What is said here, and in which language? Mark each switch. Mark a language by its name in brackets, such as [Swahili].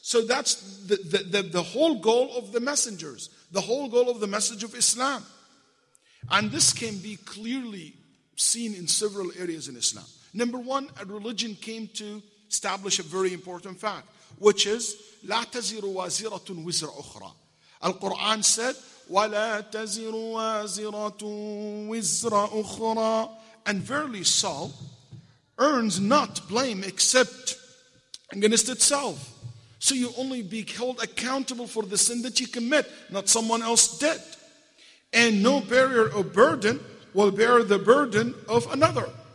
[English] So that's the whole goal of the messengers. The whole goal of the message of Islam. And this can be clearly seen in several areas in Islam. Number one, a religion came to establish a very important fact, which is [Arabic] لا تزر وازرة وزر أخرى. [English] Al-Quran said, [Arabic] ولا تزر وازرة وزر أخرى. [English] And verily Saul earns not blame except against itself. So you only be held accountable for the sin that you commit, not someone else did. And no bearer of burden will bear the burden of another.